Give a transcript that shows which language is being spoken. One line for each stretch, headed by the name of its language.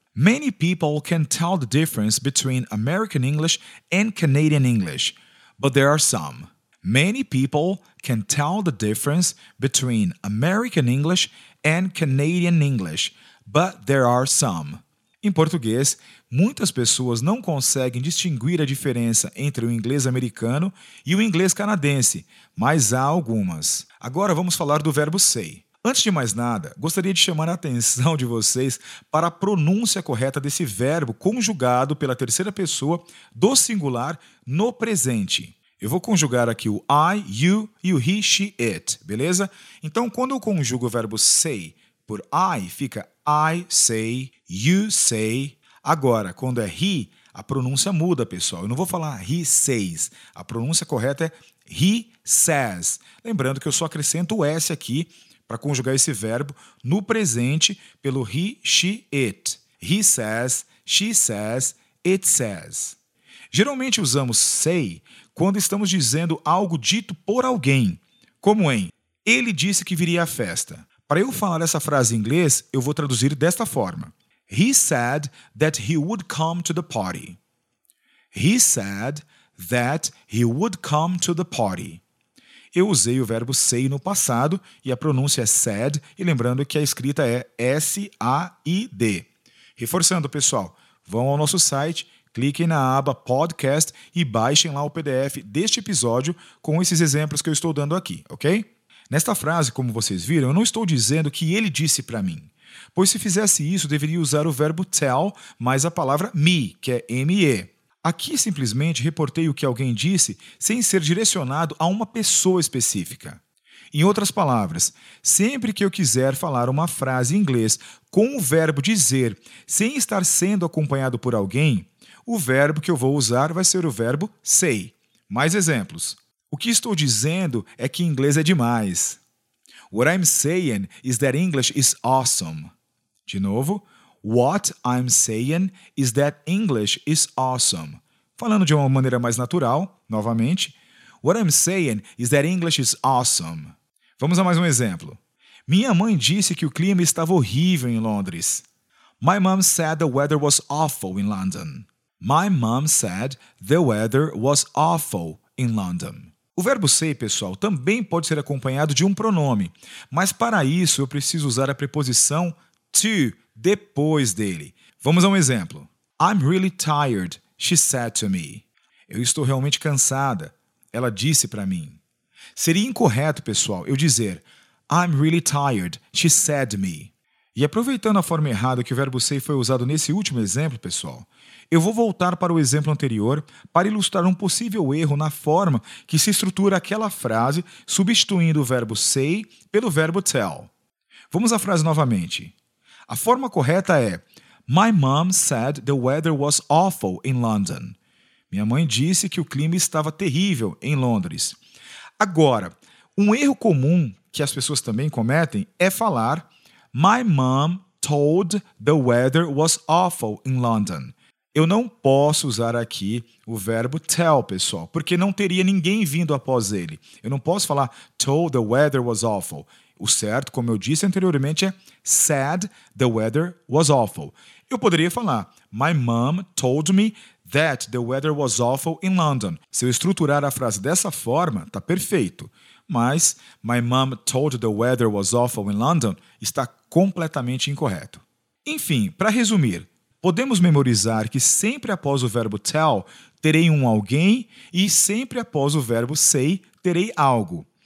English: Many people can tell the difference between American English and Canadian English, but there are some. Many people can tell the difference between American English and Canadian English, but there are some.
Portuguese: Em português, muitas pessoas não conseguem distinguir a diferença entre o inglês americano e o inglês canadense, mas há algumas. Agora vamos falar do verbo say. Antes de mais nada, gostaria de chamar a atenção de vocês para a pronúncia correta desse verbo conjugado pela terceira pessoa do singular no presente. Eu vou conjugar aqui o
English: I, you
Portuguese: e o
English: he, she, it,
Portuguese: beleza? Então, quando eu conjugo o verbo say por I, fica
English: I say, you say.
Portuguese: Agora, quando é he, a pronúncia muda, pessoal. Eu não vou falar
English: he says.
Portuguese: A pronúncia correta é
English: he says.
Portuguese: Lembrando que eu só acrescento o S aqui para conjugar esse verbo no presente pelo
English: he, she, it. He says, she says, it says.
Portuguese: Geralmente usamos say quando estamos dizendo algo dito por alguém, como em ele disse que viria à festa. Para eu falar essa frase em inglês, eu vou traduzir desta forma.
English: He said that he would come to the party. He said that he would come to the party.
Portuguese: Eu usei o verbo say no passado e a pronúncia é said, e lembrando que a escrita é S-A-I-D. Reforçando, pessoal, vão ao nosso site, cliquem na aba podcast e baixem lá o PDF deste episódio com esses exemplos que eu estou dando aqui, ok? Nesta frase, como vocês viram, eu não estou dizendo que ele disse para mim, pois se fizesse isso, deveria usar o verbo tell mais a palavra me, que é M-E. Aqui, simplesmente, reportei o que alguém disse sem ser direcionado a uma pessoa específica. Em outras palavras, sempre que eu quiser falar uma frase em inglês com o verbo dizer sem estar sendo acompanhado por alguém, o verbo que eu vou usar vai ser o verbo say. Mais exemplos. O que estou dizendo é que inglês é demais.
English: What I'm saying is that English is awesome.
Portuguese: De novo.
English: What I'm saying is that English is awesome.
Portuguese: Falando de uma maneira mais natural, novamente.
English: What I'm saying is that English is awesome.
Portuguese: Vamos a mais um exemplo. Minha mãe disse que o clima estava horrível em Londres.
English: My mom said the weather was awful in London. My mom said the weather was awful in London.
Portuguese: O verbo say, pessoal, também pode ser acompanhado de um pronome, mas para isso eu preciso usar a preposição to depois dele. Vamos a um exemplo.
English: I'm really tired, she said to me.
Portuguese: Eu estou realmente cansada, ela disse para mim. Seria incorreto, pessoal, eu dizer
English: I'm really tired, she said to me.
Portuguese: E aproveitando a forma errada que o verbo say foi usado nesse último exemplo, pessoal, eu vou voltar para o exemplo anterior para ilustrar um possível erro na forma que se estrutura aquela frase substituindo o verbo say pelo verbo tell. Vamos à frase novamente. A forma correta é
English: My mom said the weather was awful in London.
Portuguese: Minha mãe disse que o clima estava terrível em Londres. Agora, um erro comum que as pessoas também cometem é falar
English: My mom told the weather was awful in London.
Portuguese: Eu não posso usar aqui o verbo tell, pessoal, porque não teria ninguém vindo após ele. Eu não posso falar
English: told the weather was awful.
Portuguese: O certo, como eu disse anteriormente, é
English: said the weather was awful.
Portuguese: Eu poderia falar
English: my mom told me that the weather was awful in London.
Portuguese: Se eu estruturar a frase dessa forma, tá perfeito. Mas
English: my mom told the weather was awful in London
Portuguese: está completamente incorreto. Enfim, para resumir, podemos memorizar que sempre após o verbo tell, terei um alguém e sempre após o verbo say, terei algo.